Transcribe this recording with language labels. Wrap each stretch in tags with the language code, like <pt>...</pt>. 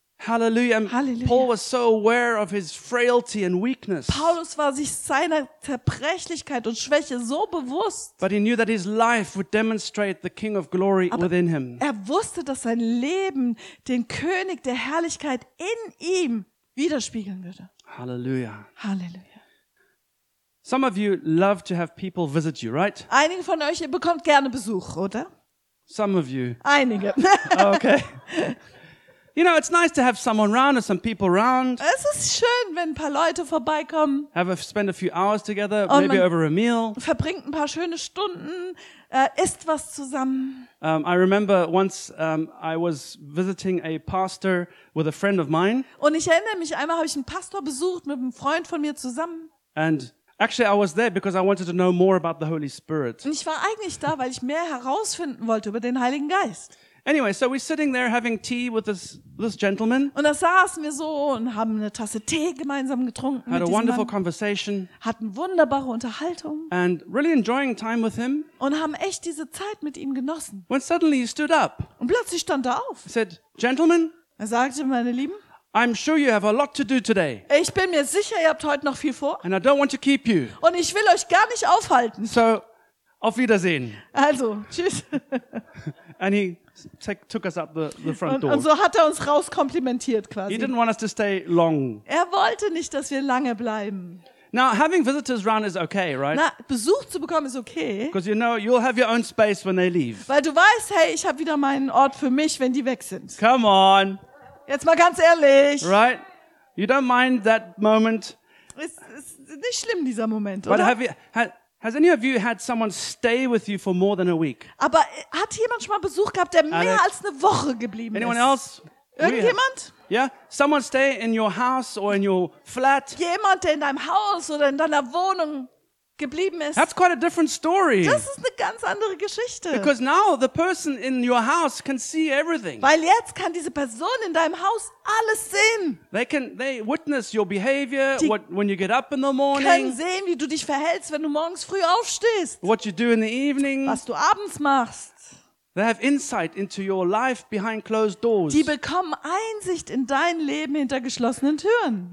<en>Hallelujah. Hallelujah. Paul was so aware of his frailty and weakness.</en> <de>Paulus war sich seiner Zerbrechlichkeit und Schwäche so bewusst.</de> <en>But he knew that his life would demonstrate the King of glory</en> <de>aber</de> <en>within him.</en> <de>Er wusste, dass sein Leben den König der Herrlichkeit in ihm widerspiegeln würde.</de> <en>Hallelujah. Hallelujah. Some of you love to have people visit you, right?</en> <de>Einige von euch, ihr bekommt gerne Besuch, oder?</de> <en>Some of you.</en> <de>Einige.</de> <en>Okay. You know, it's nice to have someone around or some people around.</en> <de>Es ist schön, wenn ein paar Leute vorbeikommen.</de> <en>Spend a few hours together,</en> <de>und</de> <en>maybe over a meal.</en> <de>Verbringt ein paar schöne Stunden, isst was zusammen.</de> <en>I remember once I was visiting a pastor with a friend of mine.</en> <de>Und ich erinnere mich, einmal habe ich einen Pastor besucht mit einem Freund von mir zusammen.</de> <en>And actually, I was there because I wanted to know more about the Holy Spirit.</en> <de>Ich war eigentlich da, weil ich mehr herausfinden wollte über den Heiligen Geist.</de> <en>Anyway, so we're sitting there having tea with this gentleman.</en> <de>Und da saßen wir so und haben eine Tasse Tee gemeinsam getrunken.</de> <en>Had a wonderful conversation.</en> <de>Hatten wunderbare Unterhaltung.</de> <en>And really enjoying time with him.</en> <de>Und haben echt diese Zeit mit ihm genossen.</de> <en>When suddenly he stood up.</en> <de>Und plötzlich stand er auf.</de> <en>He said, "Gentlemen."</en> <de>Er sagte, meine Lieben.</de> <en>I'm sure you have a lot to do today.</en> <de>Ich bin mir sicher, ihr habt heute noch viel vor.</de> <en>And I don't want to keep you.</en> <de>Und ich will euch gar nicht aufhalten. So, auf Wiedersehen. Also, tschüss.</de> <en>And he took us out the front door.</en> <de>Und so hat er uns rauskomplimentiert quasi.</de> <en>He didn't want us to stay long.</en> <de>Er wollte nicht, dass wir lange bleiben.</de> <en>Now, having visitors around is okay, right?</en> <de>Na, Besuch zu bekommen ist okay.</de> <en>Because you know, you'll have your own space when they leave.</en> <de>Weil du weißt, hey, ich habe wieder meinen Ort für mich, wenn die weg sind.</de> <en>Come on.</en> <de>Jetzt mal ganz ehrlich.</de> <en>Right? You don't mind that moment.</en> <de>Ist nicht schlimm, dieser Moment,</de> <en>but</en> <de>oder?</de> <en>But has any of you had someone stay with you for more than a week?</en> <de>Aber hat jemand schon mal Besuch gehabt, der mehr als eine Woche geblieben</de> <en>anyone</en> <de>ist?</de> <en>Anyone else</en> <de>Irgendjemand?</de> <en>Yeah, someone stay in your house or in your flat.</en> <de>Jemand, der in deinem Haus oder in deiner Wohnung geblieben ist.</de> <en>That's quite a different story.</en> <de>Das ist eine ganz andere Geschichte.</de> <en>Because now the person in your house can see everything.</en> <de>Weil jetzt kann diese Person in deinem Haus alles sehen.</de> <en>They witness your behavior when you get up in the morning.</en> <de>Können sehen, wie du dich verhältst, wenn du morgens früh aufstehst.</de> <en>What you do in the evening.</en> <de>Was du abends machst.</de> <en>They have insight into your life behind closed doors.</en> <de>Die bekommen Einsicht in dein Leben hinter geschlossenen Türen.</de>